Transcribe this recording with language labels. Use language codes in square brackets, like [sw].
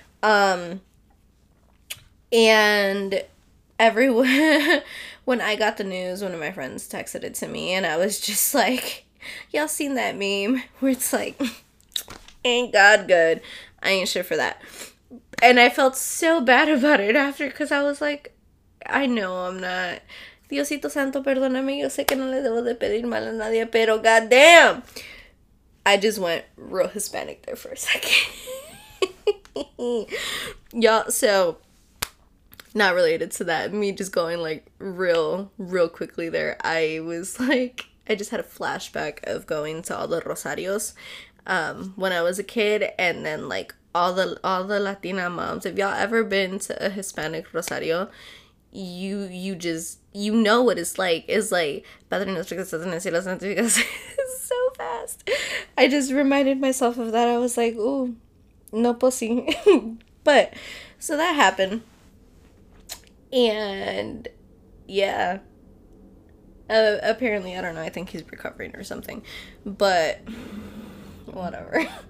[en] And everyone, when I got the news, one of my friends texted it to me and I was just like, y'all seen that meme where it's like, ain't God good? I ain't sure for that. And I felt so bad about it after because I was like, I know I'm not. [es] Diosito Santo, perdóname. Yo sé que no le debo de pedir mal a nadie, pero goddamn. [en] I just went real Hispanic there for a second. Y'all, so not related to that. Me just going like real quickly there. I was like, I just had a flashback of going to all the Rosarios when I was a kid and then like, all the Latina moms, if y'all ever been to a Hispanic Rosario, you know what it's like. It's like Padre Nuestro que estás en el cielo santificado. It's so fast. I just reminded myself of that. I was like, ooh, no posi. But so that happened. And yeah. Apparently, I don't know, I think he's recovering or something. But whatever.